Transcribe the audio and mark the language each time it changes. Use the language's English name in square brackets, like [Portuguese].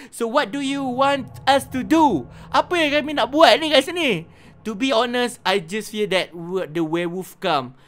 [English] So what do you want us to do? [Malay] Apa yang kami nak buat ni kat sini? [English] To be honest, I just fear that the werewolf come.